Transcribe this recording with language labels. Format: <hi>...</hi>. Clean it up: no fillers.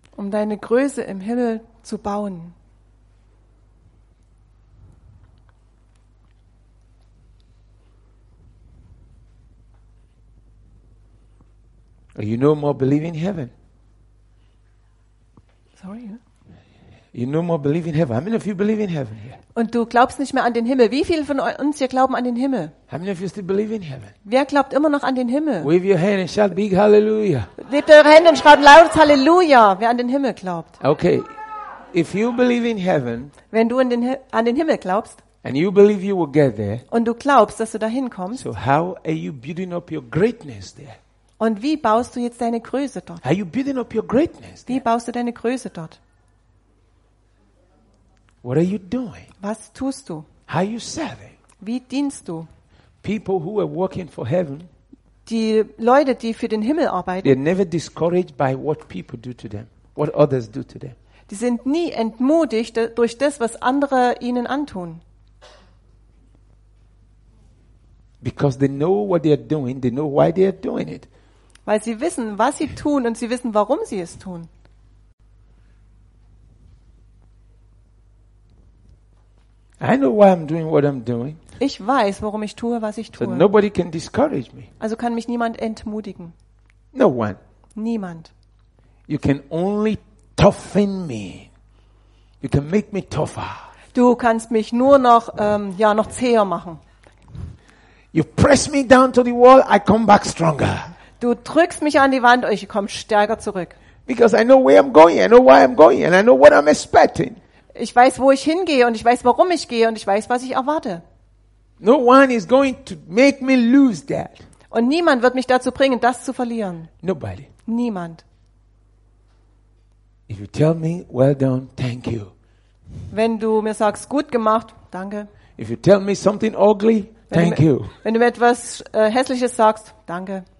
<de>Um deine Größe im Himmel zu bauen.</de> <en>You no more believe in heaven. Sorry. You no more believe in heaven. How many of you believe in heaven here?</en> <de>Und du glaubst nicht mehr an den Himmel. Wie viele von uns hier glauben an den Himmel?</de> <en>How many of you still believe in heaven?</en> <de>Wer glaubt immer noch an den Himmel?</de> <en>Wave your hand and shout big hallelujah.</en> <de>Hebt eure Hände und schreibt lautes Halleluja, wer an den Himmel glaubt.</de> <en>Okay. If you believe in heaven,</en> <de>wenn du an den Himmel glaubst,</de> <en>and you believe you will get there,</en> <de>und du glaubst, dass du dahin kommst,</de> <en>so how are you building up your greatness there?</en> <de>Und wie baust du jetzt deine Größe dort?</de> <en>Are you building up your greatness?</en> <de>Wie baust du deine Größe dort?</de> <en>What are you doing?</en> <de>Was tust du?</de> <en>How are you serving?</en> <de>Wie dienst du?</de> <en>People who are working for heaven.</en> <de>Die Leute, die für den Himmel arbeiten.</de> <en>They're never discouraged by what people do to them, what others do to them.</en> <de>Die sind nie entmutigt durch das, was andere ihnen antun.</de> <en>Because they know what they are doing, they know why they are doing it.</en> <de>Weil sie wissen, was sie tun und sie wissen, warum sie es tun.</de> <en>I know why I'm doing what I'm doing.</en> <de>Ich weiß, warum ich tue, was ich tue.</de> <en>So nobody can discourage me.</en> <de>Also kann mich niemand entmutigen.</de> <en>No one.</en> <de>Niemand.</de> <en>You can only toughen me. You can make me tougher.</en> <de>Du kannst mich nur noch noch zäher machen.</de> <en>You press me down to the wall, I come back stronger.</en> <de>Du drückst mich an die Wand, ich komme stärker zurück.</de> <en>Because I know where I'm going, I know why I'm going, and I know what I'm expecting.</en> <de>Ich weiß, wo ich hingehe und ich weiß, warum ich gehe und ich weiß, was ich erwarte.</de> <en>No one is going to make me lose that.</en> <de>Und niemand wird mich dazu bringen, das zu verlieren.</de> <en>Nobody.</en> <de>Niemand.</de> <en>If you tell me, well done, thank you.</en> <de>Wenn du mir sagst, gut gemacht, danke.</de> <en>If you tell me something ugly, thank you.</en> <de>Wenn du mir etwas Hässliches sagst, danke.</de>